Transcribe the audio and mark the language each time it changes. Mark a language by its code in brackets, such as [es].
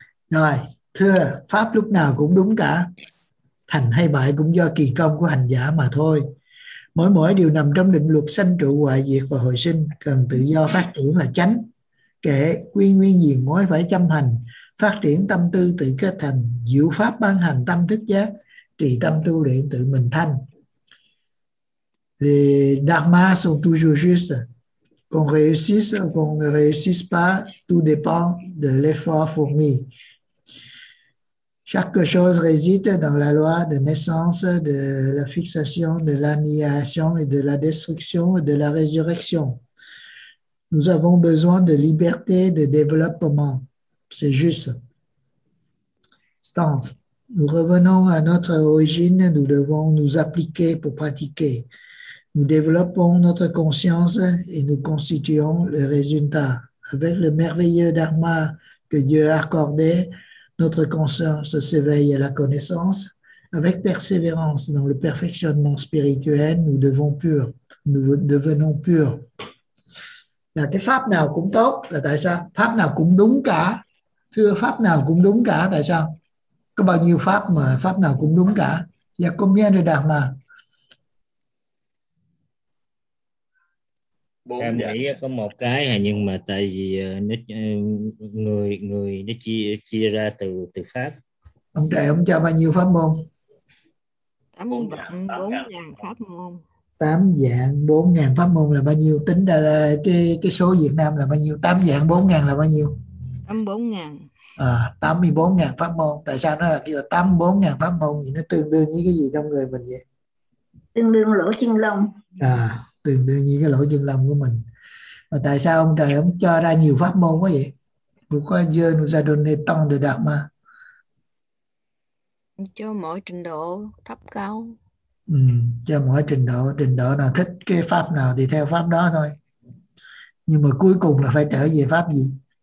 [vi] Rồi, thưa, pháp lúc nào cũng đúng cả. Thành hay bại cũng do kỳ công của hành giả mà thôi. Mỗi mỗi điều nằm trong định luật sanh trụ hoại diệt và hồi sinh, cần tự do phát triển là chánh. Kể quy nguyên diền mối phải chăm hành, phát triển tâm tư tự kết thành, diệu pháp ban hành tâm thức giác, trì tâm tu luyện tự mình thanh. [fr] Les dharmas sont toujours justes. Qu'on réussisse ou qu'on ne réussisse pas, tout dépend de l'effort fourni. Chaque chose réside dans la loi de naissance, de la fixation, de l'annihilation et de la destruction et de la résurrection. Nous avons besoin de liberté, de développement. C'est juste. Stance. Nous revenons à notre origine, nous devons nous appliquer pour pratiquer. Nous développons notre conscience et nous constituons le résultat. Avec le merveilleux dharma que Dieu a accordé, notre conscience s'éveille à la connaissance. Avec persévérance dans le perfectionnement spirituel, nous devenons purs. [vi] Là cái pháp nào cũng tốt là tại sao? Pháp nào cũng đúng cả. Thưa, pháp nào cũng đúng cả tại sao? Có bao nhiêu pháp mà pháp nào cũng đúng cả? [fr] Và combien de dharma? [vi] Em nghĩ có một cái, nhưng mà tại vì người nó chia ra từ pháp. Ông trời ông cho bao nhiêu pháp môn? 8,000 pháp môn. 8,000 pháp môn là bao nhiêu? Tính ra cái số Việt Nam là bao nhiêu? 8,000 là bao nhiêu? 84,000. À, 84,000 pháp môn. Tại sao nó là kêu 84,000 pháp môn thì nó tương đương với cái gì trong người mình vậy? Tương đương lỗ chân lông. À, tương đương như cái lỗ chân lông của mình. Mà tại sao ông trời ông cho ra nhiều pháp môn quá vậy? [fr] Pourquoi Dieu nous a donné tant de dharma? [vi] Cho mỗi trình độ thấp cao. Ừ, cho mỗi trình độ nào thích cái pháp nào thì theo pháp đó thôi. Nhưng mà cuối cùng là phải trở về pháp gì?